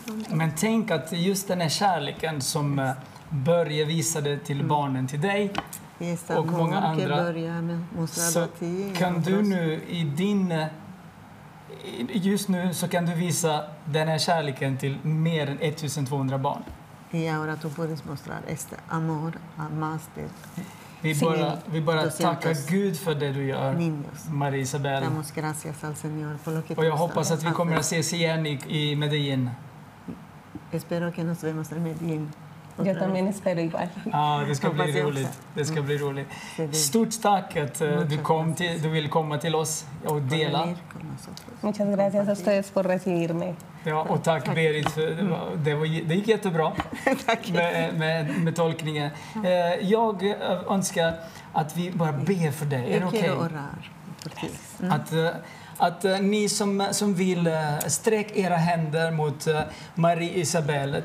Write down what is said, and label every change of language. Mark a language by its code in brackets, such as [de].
[sv] Men tänk att just den här kärleken som Börje visade till barnen, till dig och många andra. Så kan du nu i din... Just nu så kan du visa den här kärleken till mer än 1200 barn. [es] Y ahora tú puedes mostrar este amor a más de [sv] vi bara tacka Gud för det du gör, Marielsabel. [es] Damos gracias al Señor por lo que [sv] Och jag hoppas att vi kommer att ses igen i Medellín. [es] Espero que nos vemos en Medellín. Yo también espero igual. [sv] Det ska bli roligt. Det ska bli roligt. Stort tack att du vill komma till oss och dela. [es] Muchas gracias a ustedes por recibirme. [sv] Ja, och tack, tack Berit, för det, var, det gick jättebra tack. Med tolkningen. Jag önskar att vi bara ber för dig. Är det okej? [en] Okay? [sv] Att ni som vill sträck era händer mot Marielsabel.